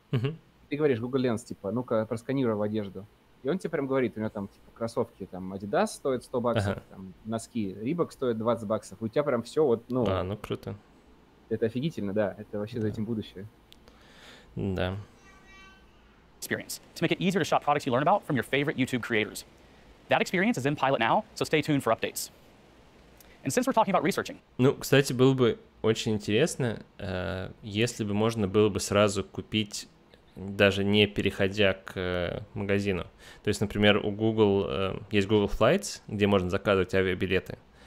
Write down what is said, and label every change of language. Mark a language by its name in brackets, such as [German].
[Russian] Ты говоришь, Google Lens, типа, ну-ка, просканируй в одежду. И он тебе прям говорит, у него там, типа, кроссовки, там, Adidas стоит 100 баксов, там, носки, Reebok стоит 20 баксов. И у тебя прям все вот, ну... А, ну, круто. Это офигительно, да, это вообще за этим будущее. Да. [English] Experience. To make it easier to shop products you learn about from your favorite YouTube creators. That experience is in pilot now, so stay tuned for updates. And since we're talking about researching... [Russian] Ну, кстати, было бы очень интересно, если бы можно было бы сразу купить, даже не переходя к магазину. То есть, например, у Google есть Google Flights, где можно заказывать авиабилеты.